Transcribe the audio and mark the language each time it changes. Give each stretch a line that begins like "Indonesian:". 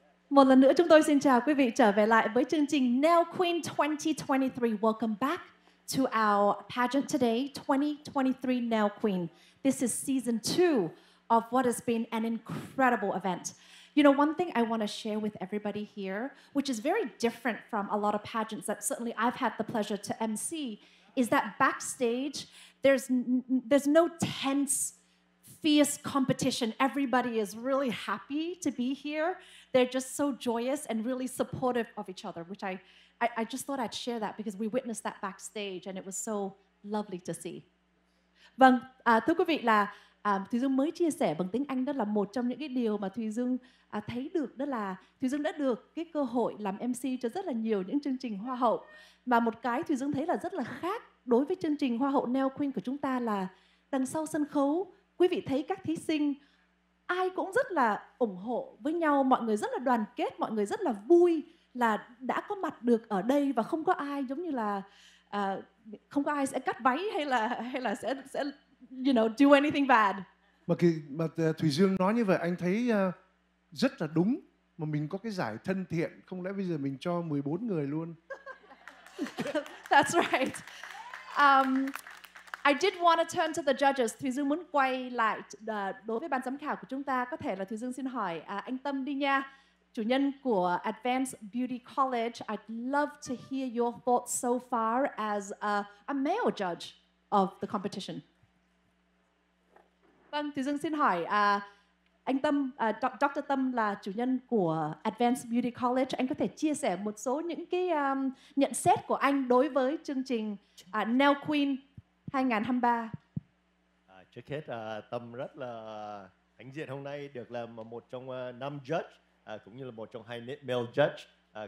Vietnamese: Một lần nữa chúng tôi xin chào quý vị trở về lại với chương trình Nail Queen 2023.
English: Welcome back to our pageant today, 2023 Nail Queen. This is season two of what has been an incredible event. You know, one thing I want to share with everybody here, which is very different from a lot of pageants that certainly I've had the pleasure to MC, is that backstage, there's no tense, fierce competition. Everybody is really happy to be here. They're just so joyous and really supportive of each other, which I just thought I'd share that because we witnessed that backstage and it was so lovely to see.
Vietnamese: Vâng, thưa quý vị là Thùy Dương mới chia sẻ bằng tiếng Anh, đó là một trong những cái điều mà Thùy Dương thấy được, đó là Thùy Dương đã được cái cơ hội làm MC cho rất là nhiều những chương trình Hoa hậu. Mà một cái Thùy Dương thấy là rất là khác đối với chương trình Hoa hậu Nail Queen của chúng ta là đằng sau sân khấu, quý vị thấy các thí sinh ai cũng rất là ủng hộ với nhau, mọi người rất là đoàn kết, mọi người rất là vui là đã có mặt được ở đây và không có ai giống như là không có ai sẽ cắt váy hay là sẽ
English: you know do anything bad.
Vietnamese: Mà Thùy Dương nói như vậy anh thấy rất là đúng, mà mình có cái giải thân thiện, không lẽ bây giờ mình cho 14 người luôn.
English: That's right. I did want to turn to the judges.
Vietnamese: Thùy Dương muốn quay lại đối với ban giám khảo của chúng ta. Có thể là Thùy Dương xin hỏi anh Tâm đi nha, chủ nhân của Advanced Beauty College.
English: I'd love to hear your thoughts so far as a male judge of the competition.
Vietnamese: Vâng, Thùy Dương xin hỏi anh Tâm, Dr. Tâm là chủ nhân của Advanced Beauty College. Anh có thể chia sẻ một số những cái nhận xét của anh đối với chương trình Nail Queen 2023. Trước hết, Tâm rất là hãnh diện hôm nay được làm một trong năm judge, cũng như là một trong hai male judge.